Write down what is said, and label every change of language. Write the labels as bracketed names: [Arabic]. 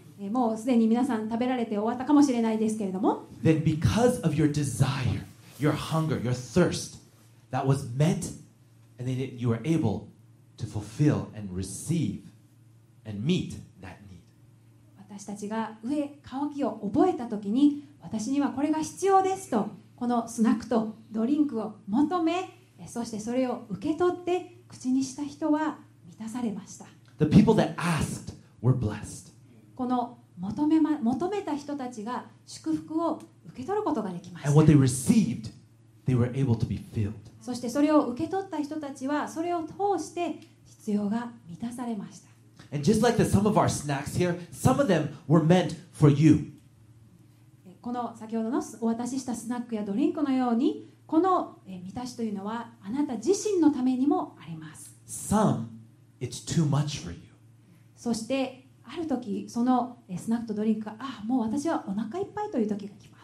[Japanese] もうすでに皆さん食べられて終わったかもしれないですけれども。 [English] Then because of your desire, your hunger, your thirst, that was met, and then you were able to fulfill and receive and meet that need. [Japanese] 私たちが飢え渇きを覚えたときに、私にはこれが必要ですと、このスナックとドリンクを求め、そしてそれを受け取って口にした人は満たされました。 [English] The people that asked were blessed. [Japanese] この求めた人たちが祝福を受け取ることができました。 [English] And what they received, they were able to be filled. [Japanese] そしてそれを受け取った人たちはそれを通して必要が満たされました。 [English] And just like the some of our snacks here, some of them were meant for you. [Japanese] この先ほどのお渡ししたスナックやドリンクのようにこの満たしというのはあなた自身のためにもあります。 [English] Some, it's too much for you. [Japanese] そしてある時そのスナックとドリンクがもう私はお腹いっぱいという時が来ます。